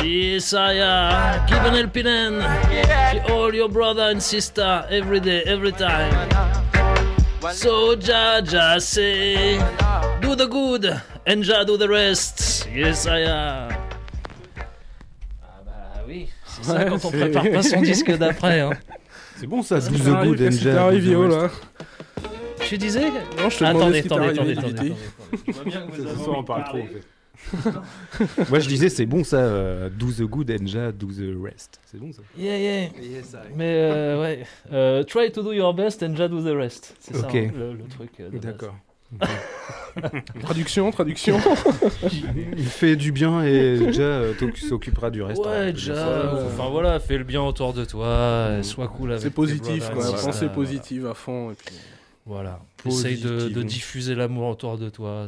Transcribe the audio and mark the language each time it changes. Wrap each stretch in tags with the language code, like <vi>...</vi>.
<en>Messiah, given El Pinen, to all your brother and sister, every day, every time. So Jah Jah say, do the good, and Jah do the rest. Yes, I am.</en> <fr>Ah bah oui, c'est ça, ouais, quand c'est... on prépare pas son disque d'après. Hein. C'est bon ça,</fr> <en>do the good, and Jah do the rest.</en> <fr>Haut, là. Tu disais non, je te attendez. Je vois bien que vous avez ça, ça, on parle trop, en fait. Moi je disais c'est bon ça,</fr> <en>do the good and Jah do the rest.</en> <fr>C'est bon ça.</fr> <en>Yeah, yeah.</en> <fr>Mais ouais,</fr> <en>try to do your best and Jah do the rest.</en> <fr>C'est okay. Ça hein, le truc. D'accord. traduction. Il fait du bien et Jah s'occupera du reste. Ouais, hein, Jah. Enfin voilà, fais le bien autour de toi. Mmh. Sois cool avec c'est positif quoi. Pensez voilà. Positive à fond. Et puis... Voilà. Essaye de diffuser l'amour autour de toi.</fr>